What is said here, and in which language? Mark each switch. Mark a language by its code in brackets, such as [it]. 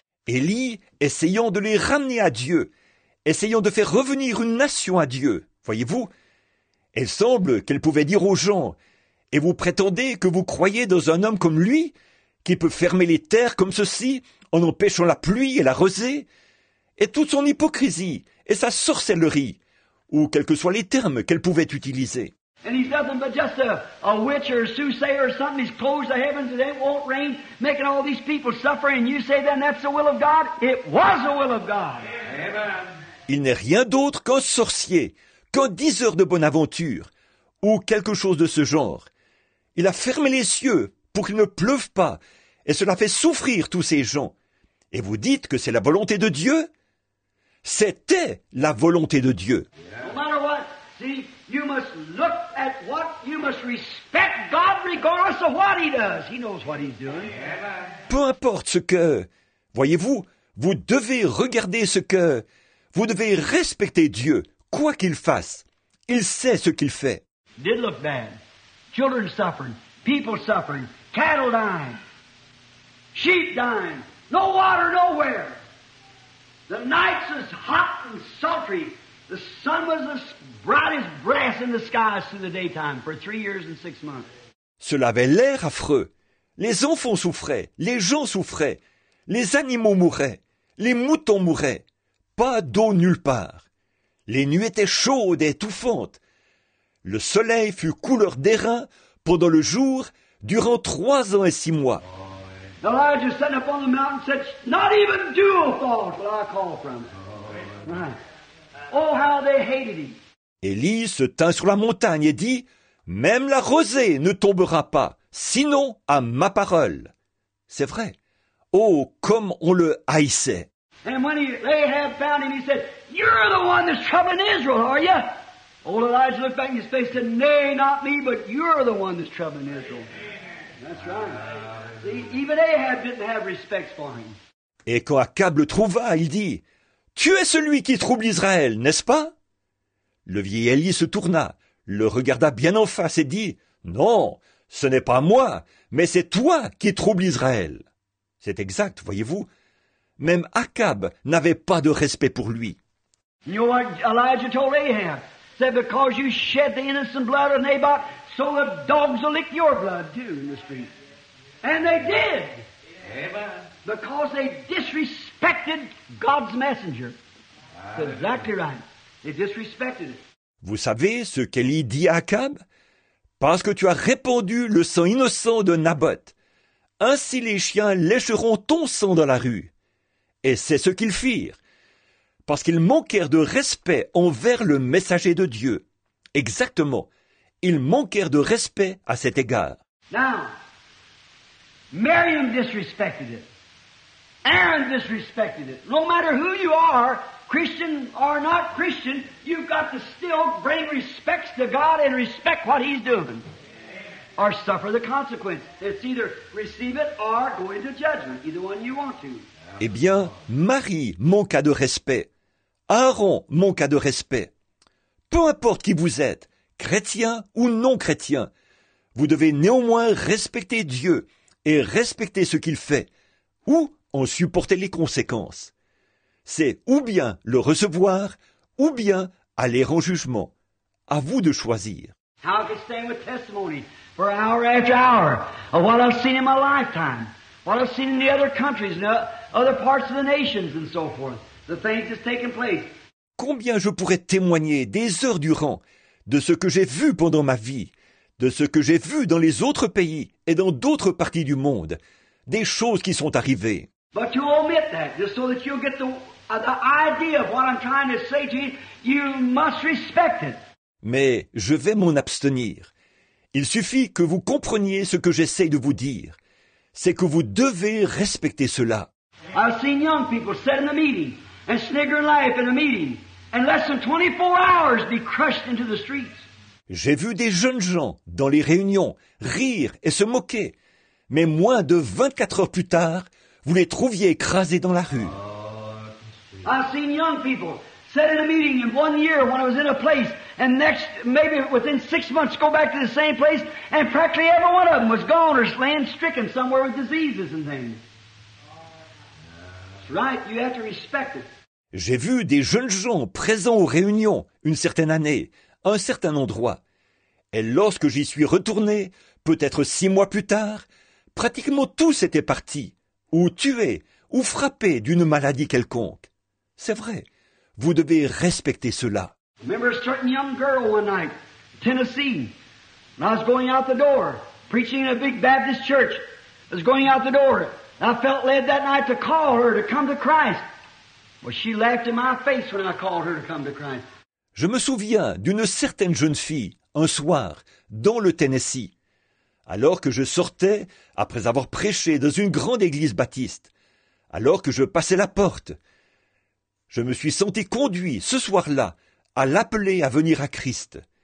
[fr] Élie, essayant de les ramener à Dieu, essayant de faire revenir une nation à Dieu, voyez-vous, il semble qu'elle pouvait dire aux gens, « Et vous prétendez que vous croyez dans un homme comme lui, qui peut fermer les terres comme ceci, en empêchant la pluie et la rosée, et toute son hypocrisie et sa sorcellerie, ou quels que soient les termes qu'elle pouvait utiliser. [en] And he's nothing but just a witch or a soothsayer or something. He's closed the heavens and it won't rain, making all these people suffer. And you say then that's the will of God? It was the will of God. Amen. [fr] Il n'est rien d'autre qu'un sorcier, qu'un diseur de bonne aventure, ou quelque chose de ce genre. Il a fermé les cieux pour qu'il ne pleuve pas, et cela fait souffrir tous ces gens. Et vous dites que c'est la volonté de Dieu? C'était la volonté de Dieu. [en] No matter what, see, you must look at what, you must respect God regardless of what he does. He knows what he's doing. [fr] Peu importe ce que, voyez-vous, vous devez regarder ce que, vous devez respecter Dieu, quoi qu'il fasse. Il sait ce qu'il fait. [en] It did look bad. Children suffering, people suffering, cattle dying, sheep dying, no water nowhere. The nights was hot and sultry. The sun was as bright as brass in the skies through the daytime for 3 years and 6 months. [fr] Cela avait l'air affreux. Les enfants souffraient, les gens souffraient, les animaux mouraient, les moutons mouraient. Pas d'eau nulle part. Les nuits étaient chaudes et étouffantes. Le soleil fut couleur d'airain pendant le jour durant 3 ans et 6 mois. [en] Elijah sat up on the mountain and said, not even dew will fall till I call for him. Oh, how they hated him. [fr] Élie se tint sur la montagne et dit, même la rosée ne tombera pas, sinon à ma parole. C'est vrai. Oh, comme on le haïssait. [en] And when Ahab found him, he said, you're the one that's troubling Israel, are you? Old Elijah looked back in his face and said, nay, not me, but you're the one that's troubling Israel. That's right. See, even Ahab didn't have respect for him. [fr] Et quand Achab le trouva, il dit, tu es celui qui trouble Israël, n'est-ce pas? Le vieil Élie se tourna, le regarda bien en face et dit, non, ce n'est pas moi, mais c'est toi qui trouble Israël. C'est exact, voyez-vous. Même Achab n'avait pas de respect pour lui. [en] You know what Elijah told Ahab? He said, because you shed the innocent blood of Naboth, so the dogs will lick your blood too in the street. And they did. Amen. Because they disrespected God's messenger. That's exactly right. They disrespected it. [fr] Vous savez ce qu'Élie dit à Achab? Parce que tu as répandu le sang innocent de Naboth. Ainsi les chiens lécheront ton sang dans la rue. Et c'est ce qu'ils firent, parce qu'ils manquèrent de respect envers le messager de Dieu. Exactement, ils manquèrent de respect à cet égard. [en] Now, Miriam disrespected it. Aaron disrespected it. No matter who you are, Christian or not Christian, you've got to still bring respects to God and respect what he's doing. Or suffer the consequence. It's either receive it or go into judgment. Either one you want to. [fr] Eh bien, Marie manqua de respect. Aaron manqua de respect. Peu importe qui vous êtes, chrétien ou non chrétien, vous devez néanmoins respecter Dieu et respecter ce qu'il fait, ou en supporter les conséquences. C'est ou bien le recevoir, ou bien aller en jugement. À vous de choisir. [en] How can stand with testimony for hour after hour of what I've seen in my lifetime? What I've seen in the other countries, in other parts of the nations, and so forth. The things that's taken place. [fr] Combien je pourrais témoigner des heures durant de ce que j'ai vu pendant ma vie, de ce que j'ai vu dans les autres pays et dans d'autres parties du monde, des choses qui sont arrivées. [en] But you omit that just so that you'll get the idea of what I'm trying to say to you. You must respect it. [fr] Mais je vais m'en abstenir. Il suffit que vous compreniez ce que j'essaie de vous dire. C'est que vous devez respecter cela. [en] I've seen young people sit in a meeting and snigger and laugh in a meeting and less than 24 hours be crushed into the streets. [fr] J'ai vu des jeunes gens dans les réunions rire et se moquer, mais moins de 24 heures plus tard, vous les trouviez écrasés dans la rue. [en] I've seen young people sit in a meeting in 1 year when I was in a place and next, maybe within 6 months, go back to the same place and practically every one of them was gone or land stricken somewhere with diseases and things. That's right, you have to respect it. [fr] J'ai vu des jeunes gens présents aux réunions une certaine année, un certain endroit. Et lorsque j'y suis retourné, peut-être 6 mois plus tard, pratiquement tous étaient partis, ou tués, ou frappés d'une maladie quelconque. C'est vrai, vous devez respecter cela. [en] I remember a certain young girl one night, Tennessee, and I was going out the door, preaching in a big Baptist church. I was going out the door, and I felt led that night to call her to come to Christ. Well, she laughed in my face when I called her to come to Christ. [fr] Je me souviens d'une certaine jeune fille, un soir, dans le Tennessee. Alors que je sortais, après avoir prêché dans une grande église baptiste, alors que je passais la porte, je me suis senti conduit ce soir-là à l'appeler à venir à Christ.